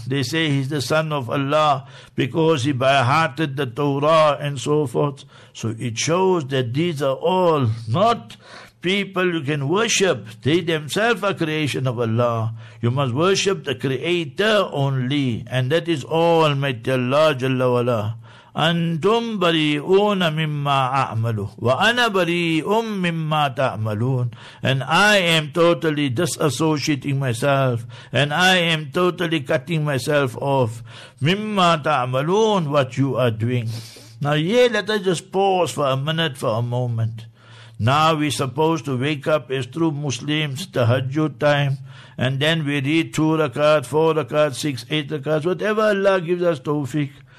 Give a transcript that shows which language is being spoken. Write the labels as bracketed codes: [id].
[en] They say he's the son of Allah because he by-hearted the Torah and so forth. So it shows that these are all not people you can worship. They themselves are creation of Allah. You must worship the Creator only, and that is Almighty Allah Jalla Wala. [ar] أنتم بريئون مما أعملوا وأنا بريء مما تعملون. [en] And I am totally disassociating myself, and I am totally cutting myself off. [ar] مما تعملون, [en] what you are doing. Now yeah, let us just pause for a minute, for a moment. Now we're supposed to wake up as true Muslims, tahajjud time, and then we read 2 rakat, 4 rakat, 6, 8 rakat, whatever Allah gives us tawfiq.